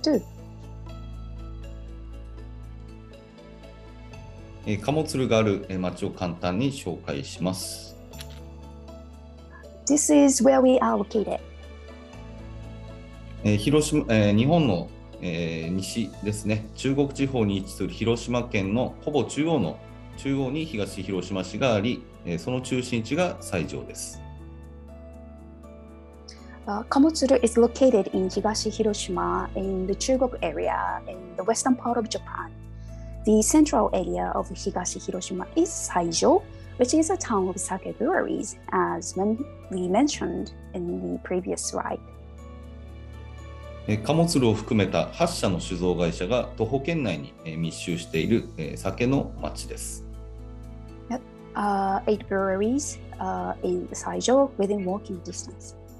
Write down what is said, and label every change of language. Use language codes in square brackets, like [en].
[en] too. [ja] カモツルがある町を簡単に紹介します。 [en] This is where we are located. [ja] 広島、日本の、西ですね、中国地方に位置する広島県のほぼ中央の中央に東広島市があり、その中心地が西条です。 [en] カモツル is located in 東広島 in the 中国 area in the western part of Japan. The central area of 東広島 is 西条, which is a town of sake breweries, as we mentioned in the previous slide. [ja] 貨物路を含めた8社の酒造会社が徒歩圏内に密集している酒の町です。 [en] Yep. Eight breweries in Saijo within walking distance.